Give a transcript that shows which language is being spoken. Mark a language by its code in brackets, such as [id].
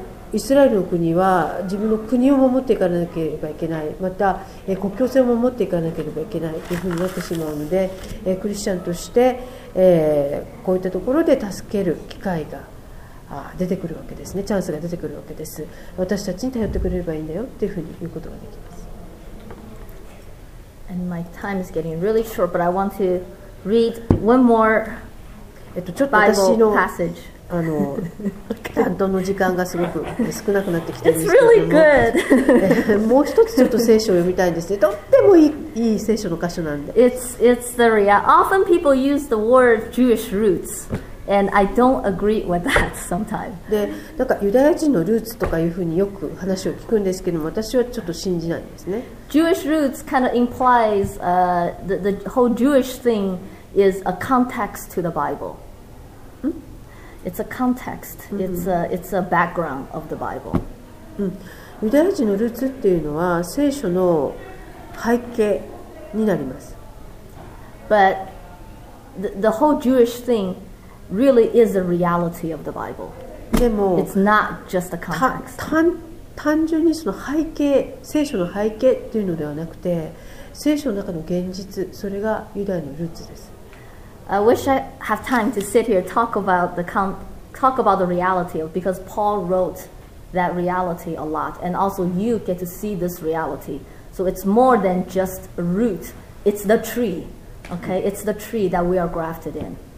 [ja] イスラエルの国は自分の国を守っていかなければいけない、また国境線を守っていかなければいけないというふうになってしまうので、クリスチャンとしてこういったところで助ける機会が出てくるわけですね、チャンスが出てくるわけです。私たちに頼ってくれればいいんだよというふうに言うことができます。 [en] And my time is getting really short, but I want to read one more Bible passage. [ja] 担当の時間がすごく少なくなってきてるんですけども、 [en] It's really good. [ja] もう一つちょっと聖書を読みたいんですね。とってもいい聖書の箇所なんで。 [en] It's the reality. Often people use the word Jewish roots, and I don't agree with that sometimes. [ja] で、なんかユダヤ人のルーツとかいうふうによく話を聞くんですけども、私はちょっと信じないんですね。 [en] Jewish roots kind of implies the whole Jewish thing is a context to the Bible. It's a context. It's a background of the Bible. [ja] ユダヤ人のルーツっていうのは聖書の背景になります。 [en] But the whole Jewish thing really is a reality of the Bible. [ja] でも、 [en] it's not just the context. [ja] 単純にその背景、聖書の背景というのではなくて、聖書の中の現実、それがユダヤのルーツです。 [en] I wish I have time to sit here talk about the reality of, because Paul wrote that reality a lot, and also you get to see this reality. So it's more than just a root; it's the tree. Okay, it's the tree that we are grafted in.